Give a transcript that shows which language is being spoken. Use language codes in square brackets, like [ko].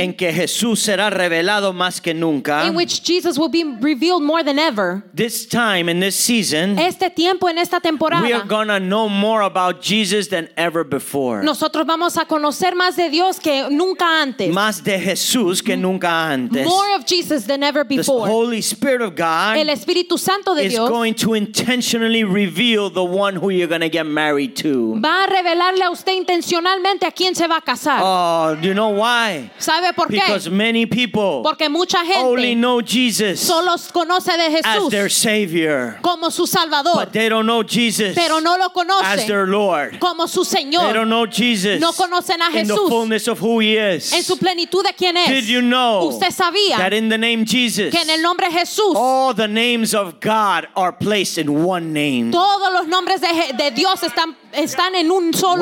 [es] En que Jesús será revelado más que nunca. [en] In which Jesus will be revealed more than ever. This time, in this season. [es] Este tiempo, en esta temporada. [en] We are going to know more about Jesus than ever before. [es] Nosotros vamos a conocer más de Dios que nunca antes. Más de Jesús que nunca antes. [en] More of Jesus than ever before. The Holy Spirit of God. [es] El Espíritu Santo de [en] is [es] Dios. [en] Is going to intentionally reveal the one who you're going to get married to. [es] Va a revelarle a usted intencionalmente a quién se va a casar. [en] Oh, do you know why? [es] ¿Sabe por qué? [en] Because many people. [es] Porque mucha gente. [en] Only know Jesus. [es] Solo conoce de Jesús. [en] As their Savior. [es] Como su Salvador. [en] But they don't know Jesus. [es] Pero no lo conoce. [en] As their Lord. [es] Como su Señor. [en] They don't know Jesus. [es] No conocen a Jesús. [en] In the fullness of who he is. [es] En su plenitud de quién es. [en] Did you know? [es] ¿Usted sabía? [en] That in the name Jesus. [es] Que en el nombre Jesús. [en] All the names of God are placed in one name. [es] Todos los nombres de Dios están en un solo